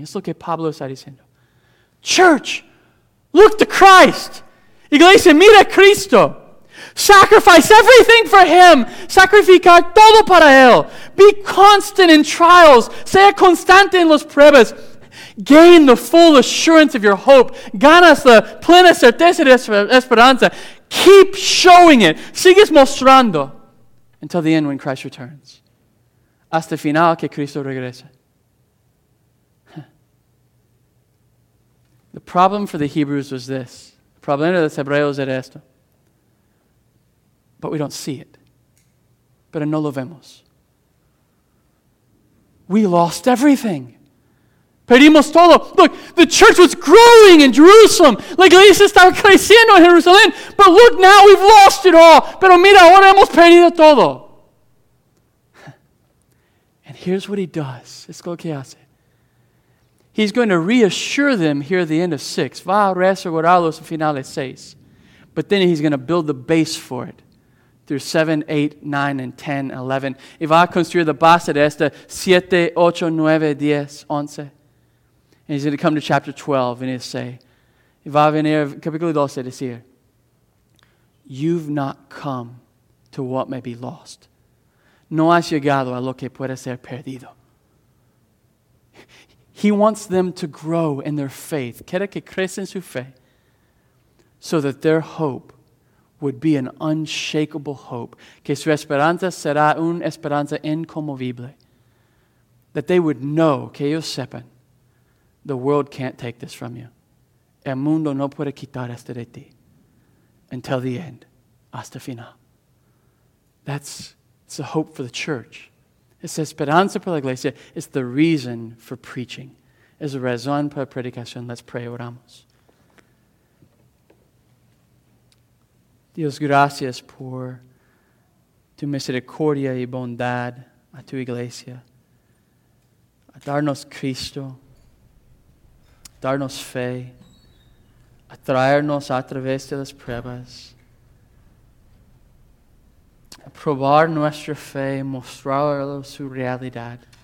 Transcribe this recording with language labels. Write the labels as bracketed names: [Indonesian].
[Spanish] Es lo que Pablo está diciendo. [English] Church, look to Christ. [Spanish] Iglesia, mira a Cristo. [English] Sacrifice everything for Him. [Spanish] Sacrificar todo para Él. [English] Be constant in trials. [Spanish] Sea constante en las pruebas. [English] Gain the full assurance of your hope. [Spanish] Ganas la plena certeza de esperanza. [English] Keep showing it. [Spanish] Sigues mostrando. [English] Until the end when Christ returns. [Spanish] Hasta el final que Cristo regrese. [English] The problem for the Hebrews was this. [Spanish] El problema de los Hebreos era esto. [English] But we don't see it. [Spanish] Pero no lo vemos. [English] We lost everything. [Spanish] Perdimos todo. [English] Look, the church was growing in Jerusalem. [Spanish] La iglesia estaba creciendo en Jerusalén. [English] But look now, we've lost it all. [Spanish] Pero mira, ahora hemos perdido todo. [English] And here's what he does. [Spanish] Es lo que hace. [English] He's going to reassure them here at the end of 6. [Spanish] Va a reasegurarlos al final de 6. [English] But then he's going to build the base for it. Through 7, 8, 9, and 10, 11. [Spanish] Y va a construir la base de esta 7, 8, 9, 10, 11. [English] And he's going to come to chapter 12 and he'll say, [Spanish] y va a venir capítulo 12 y decir, [English] you've not come to what may be lost. [Spanish] No has llegado a lo que puede ser perdido. [English] He wants them to grow in their faith. [Spanish] Quiere que crezcan su fe [English] so that their hope would be an unshakable hope. [Spanish] Que su esperanza será una esperanza inconmovible. [English] That they would know, [Spanish] que ellos sepan, [English] the world can't take this from you. [Spanish] El mundo no puede quitar esto de ti. [English] Until the end. [Spanish] Hasta final. [English] It's a hope for the church. [Spanish] Es esperanza para la iglesia. [English] It's the reason for preaching. [Spanish] Es la razón para la predicación. [English] Let's pray, [Spanish] oramos. Dios, gracias por tu misericordia y bondad a tu iglesia. A darnos Cristo, a darnos fe, a traernos a través de las pruebas, a probar nuestra fe y mostrar su realidad.